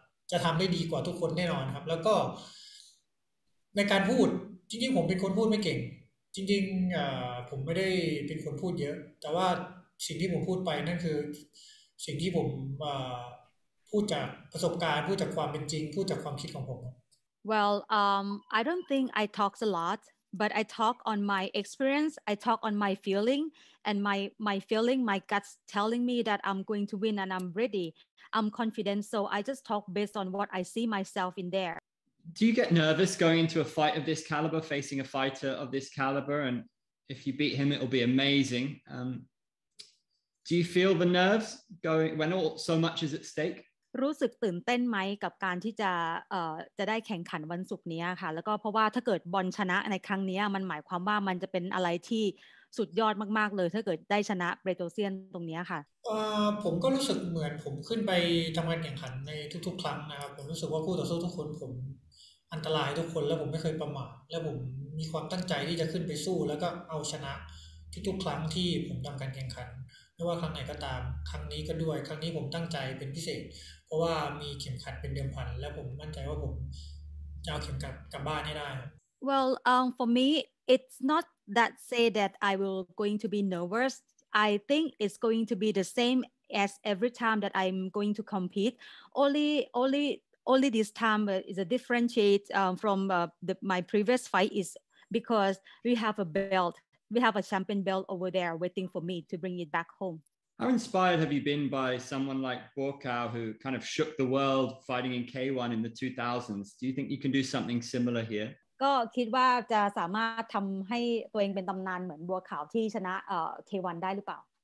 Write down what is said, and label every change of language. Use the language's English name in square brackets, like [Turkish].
[Thai] จะทำได้ดีกว่าทุกคนแน่นอนครับแล้วก็ในการพูดจริงๆผมเป็นคนพูดไม่เก่งจริงๆผมไม่ได้เป็นคนพูดเยอะแต่ว่าสิ่งที่ผมพูดไปนั่นคือสิ่งที่ผมพูดจากประสบการณ์พูดจากความเป็นจริงพูดจากความคิดของผม [English] Well I don't think I talk a lot but I talk on my experience I talk on my feeling and my feeling my gut's telling me that I'm going to win and I'm readyI'm confident, so I just talk based on what I see myself in there. Do you get nervous going into a fight of this caliber, facing a fighter of this caliber? And if you beat him, it'll be amazing. Do you feel the nerves going when all so much is at stake? [Thai] รู้สึกตื่นเต้นไหมกับการที่จะได้แข่งขันวันศุกร์นี้ค่ะแล้วก็เพราะว่าถ้าเกิดบอลชนะในครั้งนี้มันหมายความว่ามันจะเป็นอะไรที่สุดยอดมากๆเลยถ้าเกิดได้ชนะเปโตรเซียนตรงนี้ค่ะ ผมก็รู้สึกเหมือนผมขึ้นไปทำการแข่งขันในทุกๆครั้งนะครับผมรู้สึกว่าคู่ต่อสู้ทุกคนผมอันตรายทุกคนแล้วผมไม่เคยประมาทแล้วผมมีความตั้งใจที่จะขึ้นไปสู้แล้วก็เอาชนะทุกๆครั้งที่ผมทำการแข่งขันไม่ว่าครั้งไหนก็ตามครั้งนี้ก็ด้วยครั้งนี้ผมตั้งใจเป็นพิเศษเพราะว่ามีเข็มขัดเป็นเดิมพันแล้วผมมั่นใจว่าผมจะเอาเข็มขัดกลับบ้านให้ได้ [English] Well for me it's notThat say that I will going to be nervous. I think it's going to be the same as every time that I'm going to compete. Only this time is a differentiate from my previous fight is because we have a belt. We have a champion belt over there waiting for me to bring it back home. How inspired have you been by someone like Borkow who kind of shook the world fighting in K1 in the 2000s? Do you think you can do something similar here? [Thai] ก็คิดว่าจะสามารถทำให้ตัวเองเป็นตำนานเหมือนบัวขาวที่ชนะK1ได้หรือเปล่า